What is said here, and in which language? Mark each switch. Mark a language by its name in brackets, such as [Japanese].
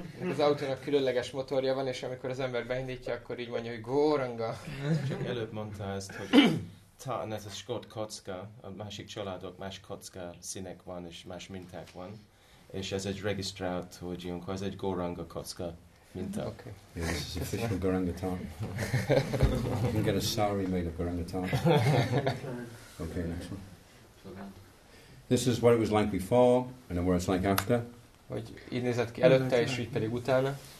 [Hungarian] Az autónak különleges motorja van, és amikor az ember beindítja, akkor így mondja, hogy Garanga. Csak előbb mondta ezt, hogy tartan ez a skót kocka, a másik családok más kocka színek van, és más minták van, és ez egy regisztrált, hogy jön, ez egy Garanga kocka minta. [English] Okay. Yeah, this is official Garanga tartan. You can get a sari made of Garanga tartan. Okay, next one. This is what it was like before, and then what it's like after. [Hungarian] Hogy így nézett ki előtte, és így pedig utána.